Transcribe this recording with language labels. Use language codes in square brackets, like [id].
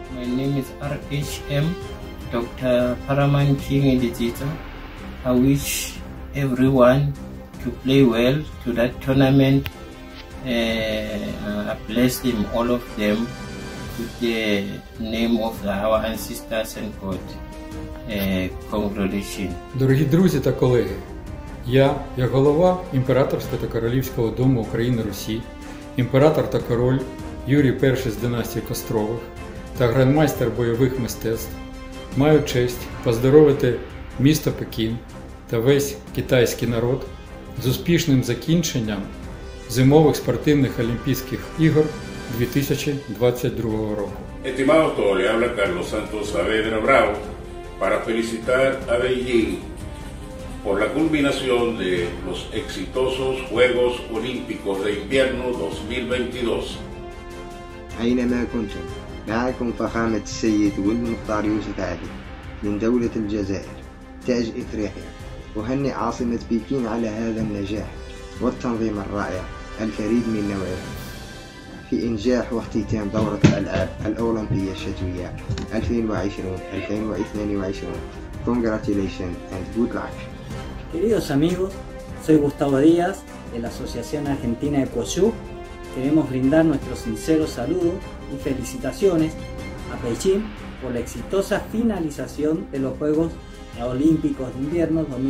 [en] My name is RHM, Dr. Paraman King Indigita. I wish everyone to play well to that tournament. I bless them, all of them, with the name of our ancestors and God. Congratulations. [uk] Дорогі друзі та колеги, я, як голова Імператорського та Королівського Дому України-Русі, імператор та король, Юрій I з династії Кострових та грандмайстер бойових мистецтв маю честь поздоровити місто Пекін та весь китайський народ з успішним закінченням зимових спортивних Олімпійських ігор 2022 року. [es] Estimado todo, le habla Carlos Santos Saavedra Bravo para felicitar a Beijing por la culminación de los exitosos Juegos Olímpicos de Invierno 2022. [ar] أين ما كنتم؟ معكم فخامة السيد والمختار يوسف عادل من دولة الجزائر تاج إفريقيا أهنئ عاصمة بكين على هذا النجاح والتنظيم الرائع الفريد من نوعه في إنجاح واختتام دورة الألعاب الأولمبية الشتوية 2020-2022. [en] Congratulations and good luck. [es] Queridos amigos, soy Gustavo Díaz de la Asociación Argentina de Cuoshu. Queremos brindar nuestros sinceros saludos y felicitaciones a Beijing por la exitosa finalización de los Juegos Olímpicos de Invierno